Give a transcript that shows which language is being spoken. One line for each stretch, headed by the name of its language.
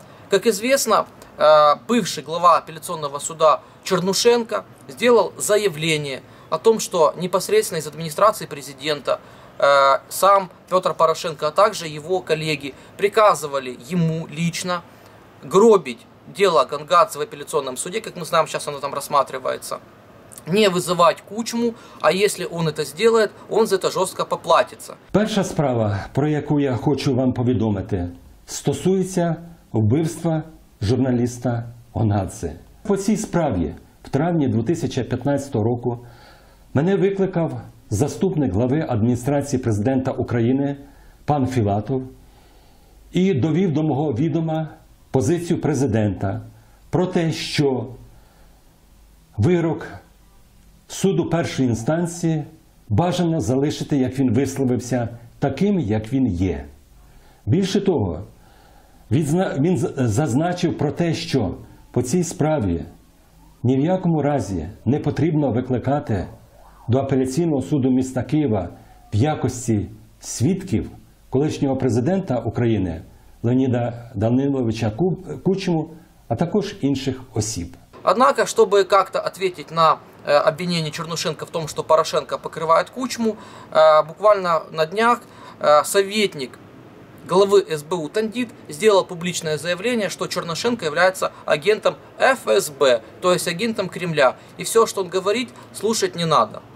Russian: Как известно, бывший глава апелляционного суда Чернушенко сделал заявление о том, что непосредственно из администрации президента сам Петр Порошенко, а также его коллеги приказывали ему лично гробить дело Гангадзе в апелляционном суде, как мы знаем, сейчас оно там рассматривается, не вызывать Кучму, а если он это сделает, он за это жестко поплатится.
Ukrainian: Перша справа, про яку я хочу вам повідомити, стосується вбивства журналіста Гангадзе. По цій справі в травні 2015 року мене викликав заступник глави адміністрації президента України пан Філатов і довів до мого відома позицію президента про те, що вирок суду першої інстанції бажано залишити, як він висловився, таким, як він є. Більше того, він зазначив про те, що по цій справі ні в якому разі не потрібно викликати до апеляційного суду міста Києва в якості свідків колишнього президента України Леоніда Даниловича Кучму, а також інших осіб. Однак, щоб як-то відповісти на обвинення Чернушенка в тому, що Порошенко покриває Кучму,
Russian: буквально на днях совєтник главы СБУ Тандит сделал публичное заявление, что Чернушенко является агентом ФСБ, то есть агентом Кремля, и все, что он говорит, слушать не надо.